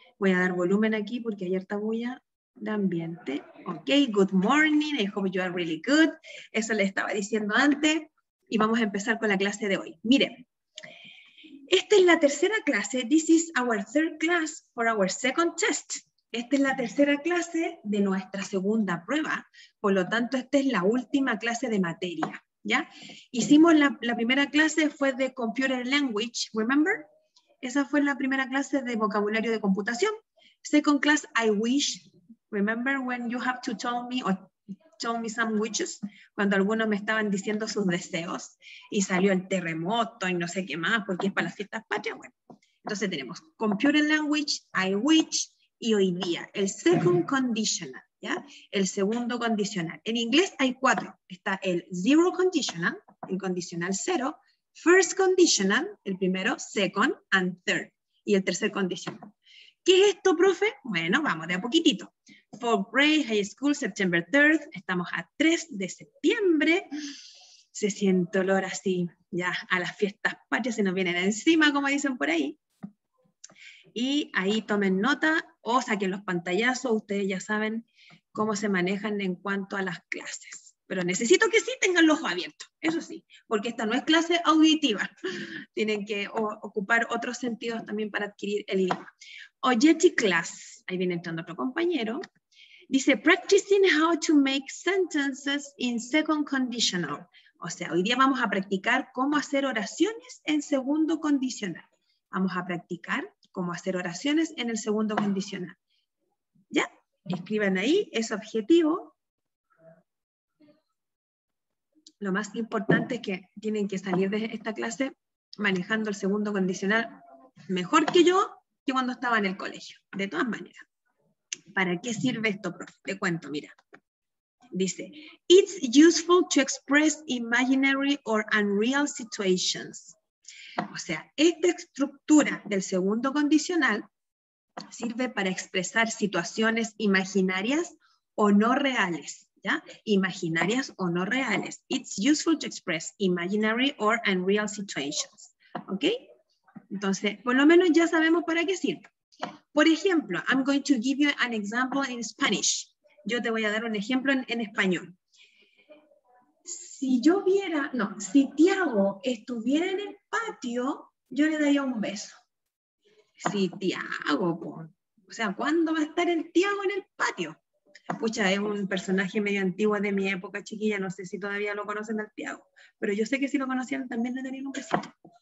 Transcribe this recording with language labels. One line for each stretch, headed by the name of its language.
Spanish: Voy a dar volumen aquí porque hay harta bulla de ambiente.
English: Ok, good morning. I hope you are really good.
Spanish: Eso le estaba diciendo antes. Y vamos a empezar con la clase de hoy. Miren, esta es la tercera clase.
English: This is our third class for our second test.
Spanish: Esta es la tercera clase de nuestra segunda prueba. Por lo tanto, esta es la última clase de materia. ¿Ya? Hicimos la primera clase fue de Computer Language,
English: remember?
Spanish: Esa fue la primera clase de vocabulario de computación.
English: Second class, I wish. Remember when you have to tell me or tell me some wishes?
Spanish: Cuando algunos me estaban diciendo sus deseos y salió el terremoto y no sé qué más, porque es para las fiestas patrias. Bueno, entonces tenemos Computer Language, I wish y hoy día. El second conditional, ¿ya? El segundo condicional. En inglés hay cuatro. Está el zero conditional, el condicional cero. First conditional, el primero,
English: second and third,
Spanish: y el tercer condicional. ¿Qué es esto, profe? Bueno, vamos de a poquitito.
English: Fourth grade, high school, September 3rd,
Spanish: estamos a 3 de septiembre. Se siente olor así, ya a las fiestas patrias se nos vienen encima, como dicen por ahí. Y ahí tomen nota, o saquen los pantallazos, ustedes ya saben cómo se manejan en cuanto a las clases. Pero necesito que sí tengan los ojos abiertos, eso sí, porque esta no es clase auditiva. Tienen que ocupar otros sentidos también para adquirir el idioma. Ojeti class, ahí viene entrando otro compañero.
English: Dice, practicing how to make sentences in second conditional.
Spanish: O sea, hoy día vamos a practicar cómo hacer oraciones en segundo condicional. Vamos a practicar cómo hacer oraciones en el segundo condicional. ¿Ya? Escriban ahí ese objetivo. Lo más importante es que tienen que salir de esta clase manejando el segundo condicional mejor que yo, que cuando estaba en el colegio. De todas maneras, ¿para qué sirve esto, profe? Te cuento, mira.
English: Dice, it's useful to express imaginary or unreal situations.
Spanish: O sea, esta estructura del segundo condicional sirve para expresar situaciones imaginarias o no reales. ¿Ya? Imaginarias o no reales.
English: It's useful to express imaginary or unreal situations.
Spanish: ¿Ok? Entonces, por lo menos ya sabemos para qué sirve. Por ejemplo,
English: I'm going to give you an example in Spanish.
Spanish: Yo te voy a dar un ejemplo en español. Si yo viera, no, si Tiago estuviera en el patio, yo le daría un beso. Si Tiago, pues, o sea, ¿cuándo va a estar el Tiago en el patio? Pucha, es un personaje medio antiguo de mi época chiquilla, no sé si todavía lo conocen al Tiago, pero yo sé que si lo conocían también le darían un besito.